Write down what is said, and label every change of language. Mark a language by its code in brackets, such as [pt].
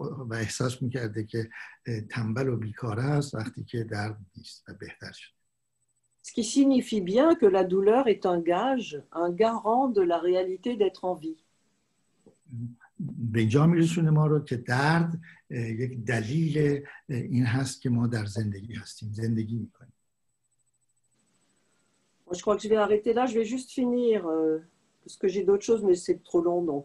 [fa] و احساس میکرده که تنبل و بیکاره است وقتی که درد نیست و بهتر شد. [fr] Ce qui signifie bien que la douleur est un gage, un garant de la réalité d'être en vie. [fa] به اینجا میرسونه ما رو که درد یک دلیل این هست که ما در زندگی هستیم، زندگی میکنیم. [fr] Moi, je crois que je vais arrêter là, je vais juste finir parce que j'ai d'autres choses, mais c'est trop long.